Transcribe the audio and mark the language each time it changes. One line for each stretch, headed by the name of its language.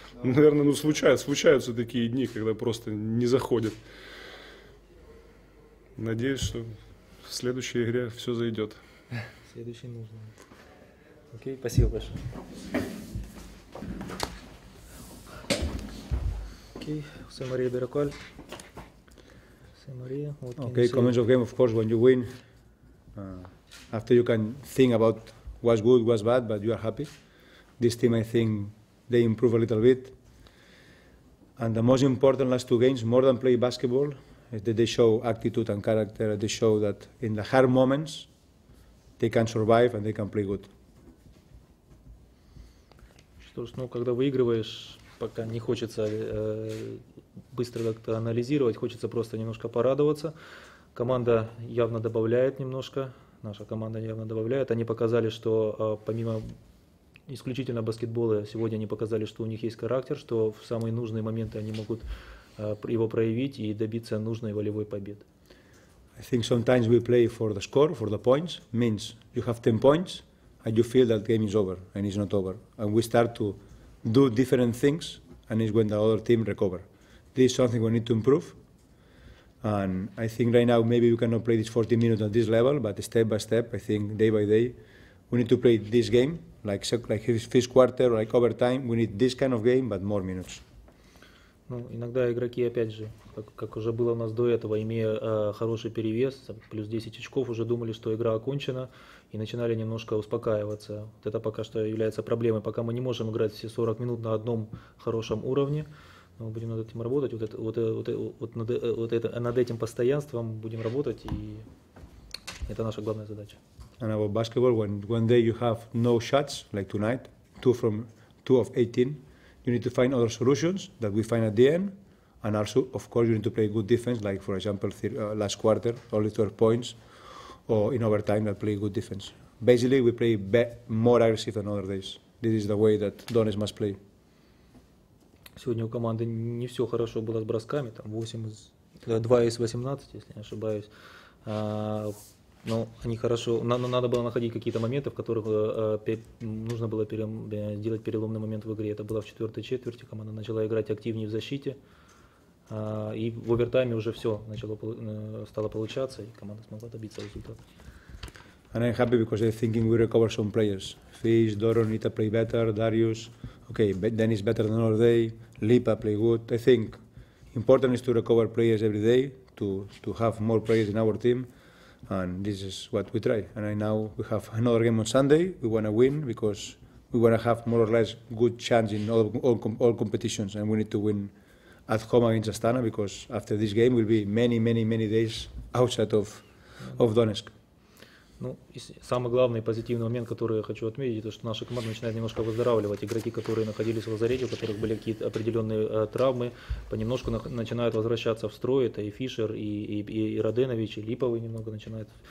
Russian: Наверное, ну случаются такие дни, когда просто не заходят. Надеюсь, что в следующей игре все зайдет. Следующий нужно. Окей, спасибо большое. Окей, все, Мария Бераколь.
English: Okay, comments of game. Of course, when you win, after you can think about what's good, what's bad, but you are happy. This team, I think, they improve a little bit. And the most important last two games, more than play basketball, is that they show attitude and character. They show that in the hard moments, they can survive and they can play good.
Russian: Когда выигрываешь, пока не хочется быстро как-то анализировать, хочется просто немножко порадоваться. Команда явно добавляет немножко, наша команда явно добавляет. Они показали, что помимо исключительно баскетбола, сегодня они показали, что у них есть характер, что в самые нужные моменты они могут его проявить и добиться нужной волевой победы.
English: I think sometimes we play for the score, for the points, means you have 10 points and you feel that game is over and it's not over. And we start to do different things, and it's when the other team recover. This is something we need to improve. And I think right now maybe we cannot play this 40 minutes at this level, but step by step, I think day by day, we need to play this game, like first quarter, like overtime. We need this kind of game, but more minutes.
Russian: Ну, иногда игроки, опять же, как уже было у нас до этого, имея хороший перевес, плюс 10 очков, уже думали, что игра окончена, и начинали немножко успокаиваться. Вот это пока что является проблемой. Пока мы не можем играть все 40 минут на одном хорошем уровне, мы будем над этим работать, над этим постоянством будем работать, и это наша главная задача.
English: And about basketball, when day you have no shots, like tonight, two of 18, you need to find other solutions that we find at the end, and also, of course, you need to play good defense, like for example, last quarter, only 12 points, or in overtime, that play good defense. Basically, we play more aggressive than other days. This is the way that Donis must play.
Russian: Сегодня у команды не все хорошо было с бросками, там 2 из 18, если не ошибаюсь. Но они хорошо. Надо было находить какие-то моменты, в которых нужно было сделать переломный момент в игре. Это было в четвертой четверти. Команда начала играть активнее в защите. И в овертайме уже все стало получаться, и команда смогла добиться результата.
English: And I'm happy because I'm thinking we recover some players. Fish, Doron need to play better, Darius. Okay, Dennis better than other day. Lipa play good. I think important is to recover players every day, to have more players in our team. And this is what we try. And I now we have another game on Sunday. We want to win because we want to have more or less good chance in all competitions. And we need to win at home against Astana because after this game will be many, many, many days outside of Donetsk.
Russian: Ну, и самый главный позитивный момент, который я хочу отметить, это то, что наша команда начинает немножко выздоравливать. Игроки, которые находились в лазарете, у которых были какие-то определенные травмы, понемножку начинают возвращаться в строй. Это и Фишер, и Раденович, и Липовый немного начинают.